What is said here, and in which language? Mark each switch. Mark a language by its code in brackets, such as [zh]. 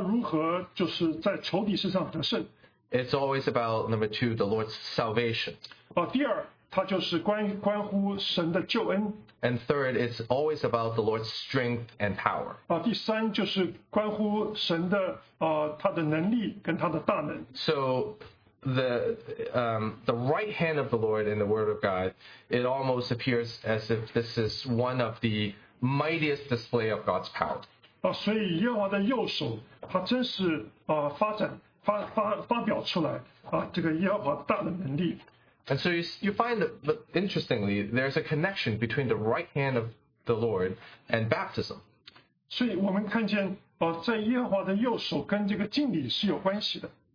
[zh] 通常都是讲到主他如何在仇敌身上得胜。 [en] It's always about, number two, the Lord's salvation. [zh] 第二，他就是关乎神的救恩。 [en] And third, it's always about the Lord's strength and power. [zh] 第三就是关乎神的他的能力跟他的大能。 [en] So the right hand of the Lord in the Word of God, it almost appears as if this is one of the mightiest display of God's power. [zh] 所以耶和华的右手，他真是发表出来这个耶和华大的能力。 [en] And so you find that, but interestingly, there's a connection between the right hand of the Lord and baptism. [zh] 所以我们看见，在耶和华的右手跟这个敬礼是有关系的。